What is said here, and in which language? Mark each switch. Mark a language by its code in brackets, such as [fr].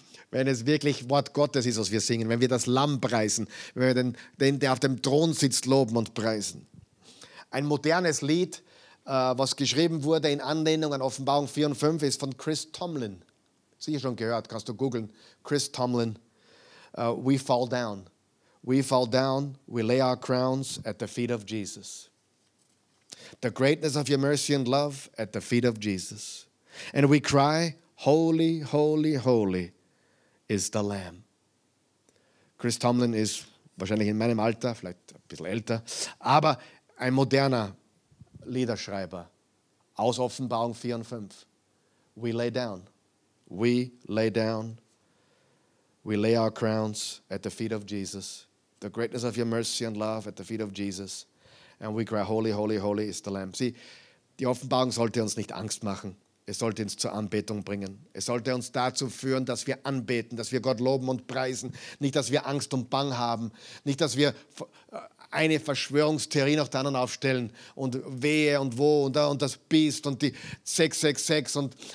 [de] Wenn es wirklich Wort Gottes ist, was wir singen, wenn wir das Lamm preisen, wenn wir den, der auf dem Thron sitzt, loben und preisen. Ein modernes Lied, was geschrieben wurde in Anlehnung an Offenbarung 4 und 5, ist von Chris Tomlin. Sicher schon gehört, kannst du googeln. [en] Chris Tomlin. We fall down. We fall down, we lay our crowns at the feet of Jesus. The greatness of your mercy and love at the feet of Jesus. And we cry, holy, holy, holy is the Lamb. [de] Chris Tomlin ist wahrscheinlich in meinem Alter, vielleicht ein bisschen älter, aber ein moderner Liederschreiber aus Offenbarung 4 und 5. [en] We lay down. We lay down. We lay our crowns at the feet of Jesus. The greatness of your mercy and love at the feet of Jesus. And we cry, holy, holy, holy is the Lamb. [de] Sieh, die Offenbarung sollte uns nicht Angst machen. Es sollte uns zur Anbetung bringen. Es sollte uns dazu führen, dass wir anbeten, dass wir Gott loben und preisen. Nicht, dass wir Angst und Bang haben. Nicht, dass wir eine Verschwörungstheorie nach der anderen aufstellen und wehe und wo und das Biest und die 666.